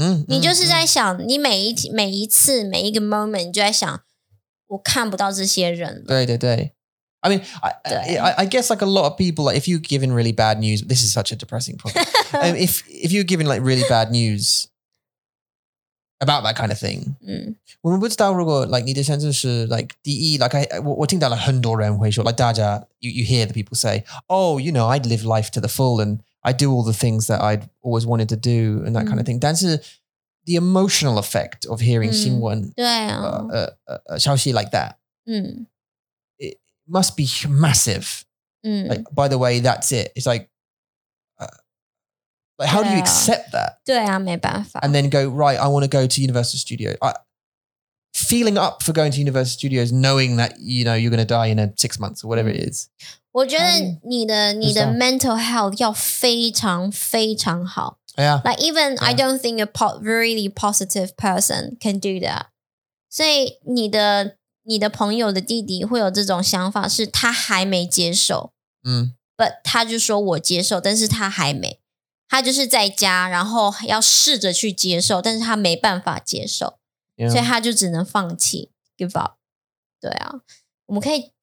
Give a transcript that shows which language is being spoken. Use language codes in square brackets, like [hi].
[zh] 你就是在想,你每一次,每一个moment, 你就在想,我看不到这些人了。对对对。 [en] I mean, I guess like a lot of people, like if you're given really bad news, this is such a depressing point. if you're given like really bad news about that kind of thing, [zh] 我们不知道如果 [en] like [zh] 你的选择是 [en] like [zh] 第一 [en] like [zh] 我听到了很多人会说 [en] like [zh] 大家 [en] you hear the people say, oh, you know, I'd live life to the full and I'd do all the things that I'd always wanted to do and that kind of thing. [zh] 但是 [en] the emotional effect of hearing [zh] 新闻消息 [en] like that. Must be massive. Like, by the way, that's it. It's like how do you accept that? [zh] 对啊，没办法。 [en] And then go, right, I want to go to Universal Studios. Feeling up for going to Universal Studios, knowing that, you know, you're going to die in 6 months or whatever it is. [zh] 我觉得你的 [en] mental health [zh] 要非常非常好。 [en] Yeah. Like, even I don't think a really positive person can do that. [zh] 所以你的朋友的弟弟会有这种想法，是他还没接受。 [en] But [zh] 他就说我接受，但是他还没，他就是在家，然后要试着去接受，但是他没办法接受，所以他就只能放弃 [en] give up。 [zh] 对啊，我们可以